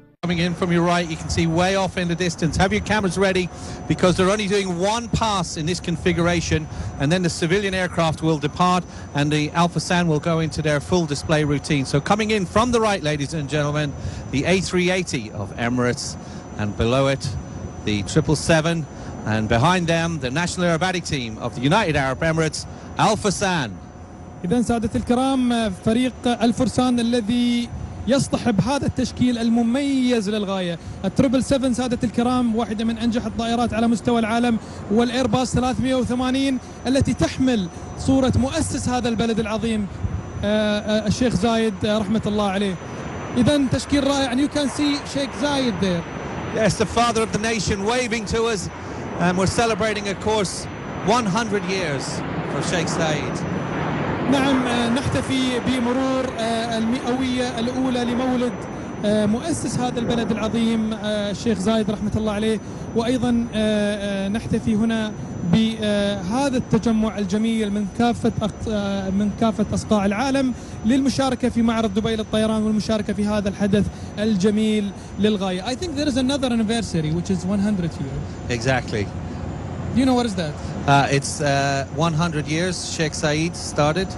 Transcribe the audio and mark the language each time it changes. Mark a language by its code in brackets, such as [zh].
[en] coming in from your right. You can see way off in the distance. Have your cameras ready, because they're only doing one pass in this configuration, and then the civilian aircraft will depart and the Alpha San will go into their full display routine. So coming in from the right, ladies and gentlemen, the A380 of Emirates, and below it the 777, and behind them the National Aerobatic Team of the United Arab Emirates, Alpha San. [ar] إذن سادة الكرام، فريق الفرسان الذي يصطحب هذا التشكيل المميز للغاية، التربل 7 سادة الكرام واحدة من أنجح الطائرات على مستوى العالم، والإيرباص 380 التي تحمل صورة مؤسس هذا البلد العظيم الشيخ زايد رحمة الله عليه. إذن تشكيل رائع. [en] And you can see Sheikh Zayed there. Yes, the father of the nation waving to us, and we're celebrating of course 100 years for Sheikh Zayed. [ar] نعم، نحتفي بمرور المئوية الأولى لمولد مؤسس هذا البلد العظيم الشيخ زايد رحمة الله عليه، وأيضا نحتفي هنا بهذا التجمع الجميل من كافة أصقاع العالم للمشاركة في معرض دبي للطيران والمشاركة في هذا الحدث الجميل للغاية. [en] I think there is another anniversary which is 100 years. Exactly. Do you know what is that? It's 100 years Sheikh Zayed started.